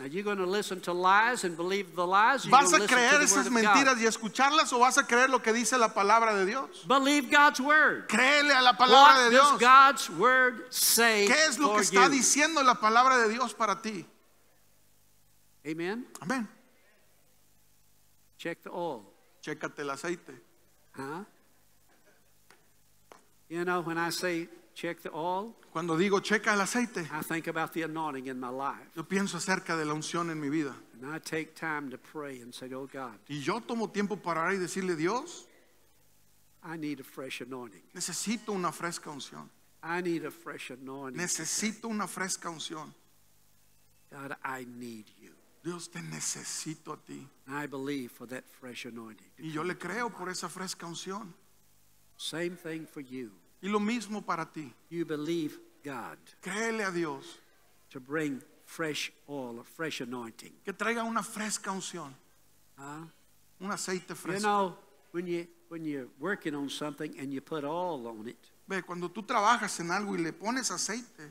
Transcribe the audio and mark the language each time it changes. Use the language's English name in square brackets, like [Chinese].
[English] Are you going to listen to lies and believe the lies? [Spanish] ¿Vas a creer esas mentiras y escucharlas o vas a creer lo que dice la palabra de Dios? [English] Believe God's word. [Spanish] Créele a la palabra de Dios. [English] What does God's word say? [Spanish] ¿Qué es lo que está diciendo la palabra de Dios para ti? [English] Amen. Amen. Check the oil. [Spanish] Chécate el aceite. Huh? [English] You know, when I say check the oil, [Spanish] cuando digo checa el aceite, [English] I think about the anointing in my life. [Spanish] Yo pienso acerca de la unción en mi vida. [English] And I take time to pray and say, "Oh God." [Spanish] Y yo tomo tiempo para orar y decirle, Dios, [English] I need a fresh anointing. [Spanish] Necesito una fresca unción. [English] I need a fresh anointing. [Spanish] Necesito una fresca unción. [English] God, I need you. [Spanish] Dios, te necesito a ti. [English] And I believe for that fresh anointing. [Spanish] Y yo le creo por esa fresca unción. [English] Same thing for you. [Spanish] Y lo mismo para ti. [English] You believe God. [Spanish] Créele a Dios. [English] To bring fresh oil, a fresh anointing. [Spanish] Que traiga una fresca unción. Huh? Un aceite fresco. [English] You know, when you're working on something and you put oil on it. [Spanish] Ve, cuando tú trabajas en algo y le pones aceite.